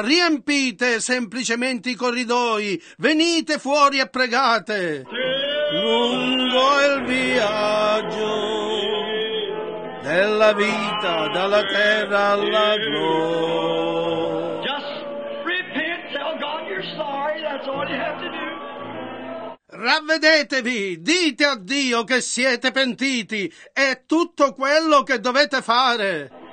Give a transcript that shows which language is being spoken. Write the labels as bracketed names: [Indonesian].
[Italian] Riempite semplicemente i corridoi! Venite fuori e pregate! Lungo il viaggio della vita dalla terra alla gloria. [English] Just repent, tell God you're sorry, that's all you have to do. [Italian] Ravvedetevi, dite a Dio che siete pentiti, è tutto quello che dovete fare.